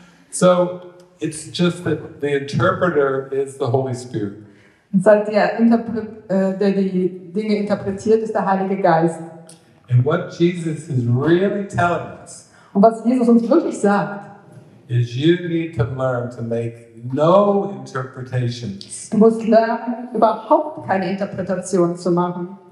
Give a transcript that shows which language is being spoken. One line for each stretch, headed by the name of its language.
English: So it's just that the interpreter is the Holy Spirit.
German: Der die Dinge interpretiert, ist der Heilige Geist.
English: And what Jesus is really telling us.
German: Und was Jesus uns wirklich sagt.
English: Is you need to learn to make no interpretations.
German: Du musst lernen, überhaupt keine Interpretation zu machen.